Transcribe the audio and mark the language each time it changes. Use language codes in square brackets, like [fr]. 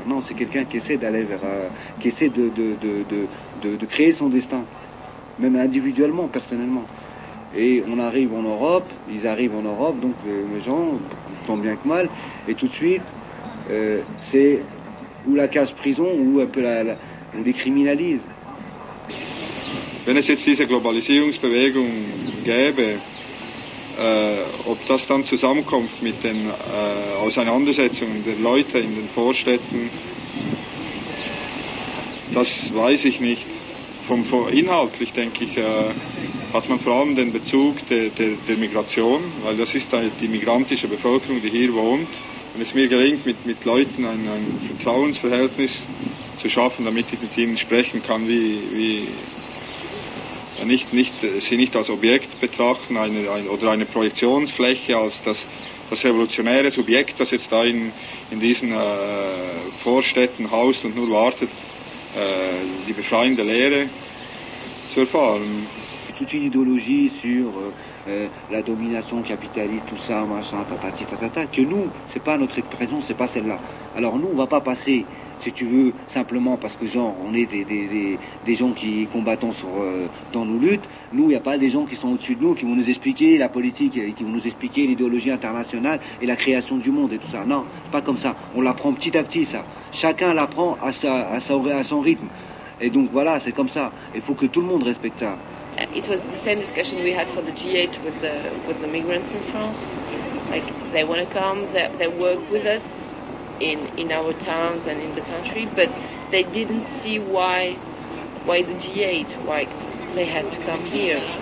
[fr] Non, c'est quelqu'un qui essaie d'aller vers... qui essaie de créer son destin, même individuellement, personnellement. Et on arrive en Europe, ils arrivent en Europe, donc les gens, tant bien que mal, et tout de suite, c'est ou la case prison, ou un peu on les criminalise. [de] Wenn es jetzt diese Globalisierungsbewegung gäbe, ob das dann zusammenkommt mit den Auseinandersetzungen der Leute in den Vorstädten, das weiß ich nicht. Inhaltlich denke ich, hat man vor allem den Bezug der Migration, weil das ist die migrantische Bevölkerung, die hier wohnt. Wenn es mir gelingt, mit Leuten ein Vertrauensverhältnis zu schaffen, damit ich mit ihnen sprechen kann, sie nicht als Objekt betrachten oder eine Projektionsfläche, als das revolutionäre Subjekt, das jetzt da in diesen Vorstädten haust und nur wartet, die befreiende Lehre zu erfahren. [fr] Toute une idéologie sur la domination capitaliste, tout ça, machin, tatati, tatata, que nous, c'est pas notre expression, c'est pas celle-là. Alors nous, on va pas passer... Si tu veux, simplement parce que genre, on est des gens qui combattons dans nos luttes, nous, il n'y a pas des gens qui sont au-dessus de nous, qui vont nous expliquer la politique, qui vont nous expliquer l'idéologie internationale et la création du monde et tout ça. Non, c'est pas comme ça. On l'apprend petit à petit, ça. Chacun l'apprend à son rythme. Et donc voilà, c'est comme ça. Il faut que tout le monde respecte ça. [en] It was the same discussion we had for the G8 with the migrants in France. Like, they want to come, they work with us. In our towns and in the country, but they didn't see why the G8, why they had to come here.